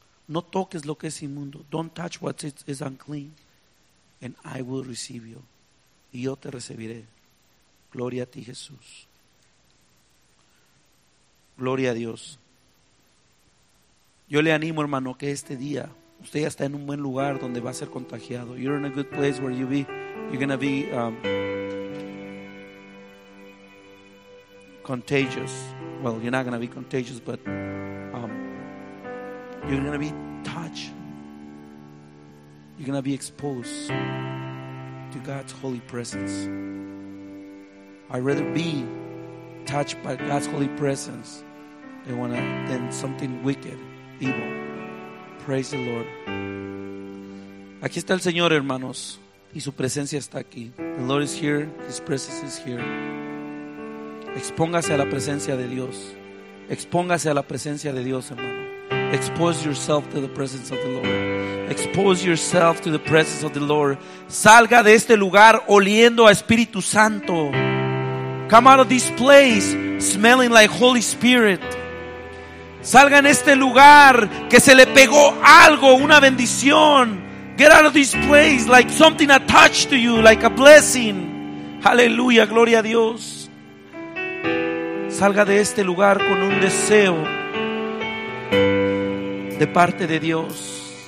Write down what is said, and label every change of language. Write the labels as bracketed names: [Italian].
[Spanish] No toques lo que es inmundo. [English] Don't touch what is unclean. And I will receive you. [Spanish] Y yo te recibiré. Gloria a ti, Jesús. Gloria a Dios. Yo le animo, hermano, que este día usted ya está en un buen lugar donde va a ser contagiado. [English] You're in a good place where you be. You're going to be contagious. Well, you're not going to be contagious, but you're going to be touched. You're going to be exposed to God's holy presence. I'd rather be touched by God's holy presence than something wicked, evil. Praise the Lord. [Spanish] Aquí está el Señor, hermanos, y su presencia está aquí. [English] The Lord is here, His presence is here. [Spanish] Expóngase a la presencia de Dios. Expóngase a la presencia de Dios, hermano. [English] Expose yourself to the presence of the Lord. Expose yourself to the presence of the Lord. [Spanish] Salga de este lugar oliendo a Espíritu Santo. [English] Come out of this place smelling like Holy Spirit. [Spanish] Salga en este lugar que se le pegó algo, una bendición. [English] Get out of this place like something attached to you, like a blessing. [Spanish] Aleluya, gloria a Dios. Salga de este lugar con un deseo de parte de Dios.